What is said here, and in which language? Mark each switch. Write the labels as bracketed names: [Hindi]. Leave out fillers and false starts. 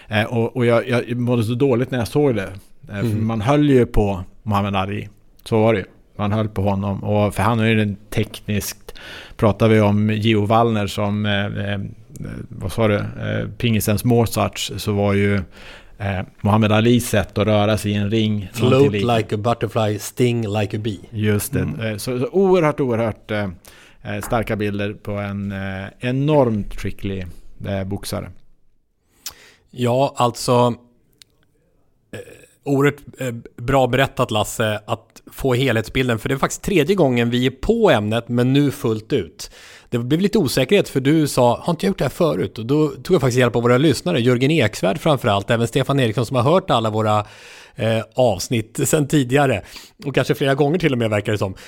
[Swedish] Och jag mådde så dåligt när jag såg det. För man höll ju på Muhammad Ali, så var det ju. Man höll på honom, och för han är ju en tekniskt, pratar vi om Gio Wallner som vad sa du, pingisens Mozart, så var ju Muhammad Ali sätt att röra sig i en ring. [English] Float någonting. Like a butterfly, sting like a bee. [Swedish] Just det, så oerhört, oerhört starka bilder på en enormt tricklig boxare. Ja, alltså oerhört bra berättat, Lasse, att få helhetsbilden, för det är faktiskt tredje gången vi är på ämnet, men nu fullt ut. Det blev lite osäkerhet, för du sa, har inte jag gjort det här förut? Och då tog jag faktiskt hjälp av våra lyssnare, Jörgen Eksvärd framförallt, även Stefan Eriksson som har hört alla våra avsnitt sen tidigare, och kanske flera gånger till och med verkar det som.